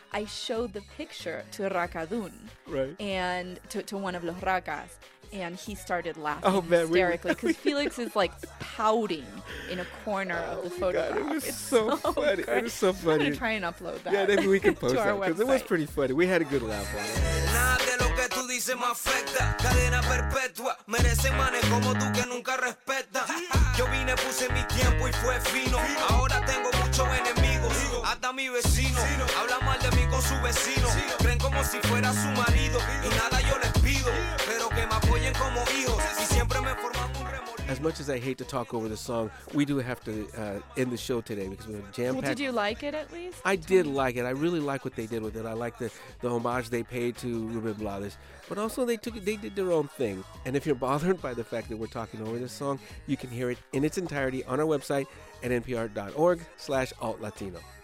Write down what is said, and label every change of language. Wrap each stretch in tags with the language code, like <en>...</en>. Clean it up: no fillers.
<en>I showed the picture to Racadun. Right. And to one of Los Racas. And he started laughing hysterically. Because Felix is like pouting in a corner of the photograph. God, it was so funny. Great. It was so funny. I'm going to try and upload that. Yeah, maybe we can post that. Because it was pretty funny. We had a good laugh on it.</en> <es>Dice me afecta, cadena perpetua, merece manes como tú que nunca respeta. Yo vine, puse mi tiempo y fue fino. Ahora tengo muchos enemigos, hasta mi vecino. Habla mal de mí con su vecino, creen como si fuera su marido. Y nada yo les pido, pero que me apoyen como hijos. Y siempre me forman un remolino.</es> <en>As much as I hate to talk over the song, we do have to end the show today because we're jam-packed. Well, did you like it at least? I did like it. I really like what they did with it. I like the homage they paid to Rubén Blades. But also they did their own thing. And if you're bothered by the fact that we're talking over this song, you can hear it in its entirety on our website at npr.org/altlatino.</en>